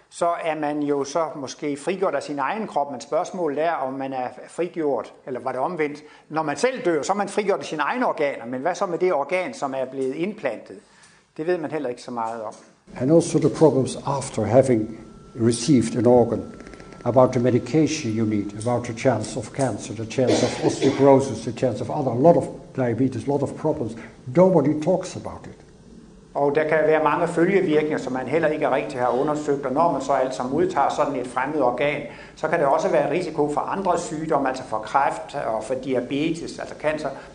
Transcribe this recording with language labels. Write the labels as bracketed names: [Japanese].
[Danish] så er man jo så måske frigjort af sin egen krop, men spørgsmålet er, om man er frigjort, eller var det omvendt. Når man selv dør, så er man frigjort af sine egne organer, men hvad så med det organ, som er blevet implantet? Det ved man heller ikke så meget om. [English] And also the problems after having received an organ, about the medication you need, about the chance of cancer, the chance of osteoporosis, the chance of other, a lot of diabetes, a lot of problems. Nobody talks about it. [Danish] Og der kan være mange følgevirkninger, som man heller ikke er rigtig har undersøgt, og når man så altså modtager sådan et fremmed organ, så kan det også være risiko for andre sygdomme, altså for kræft og for diabetes, altså cancer.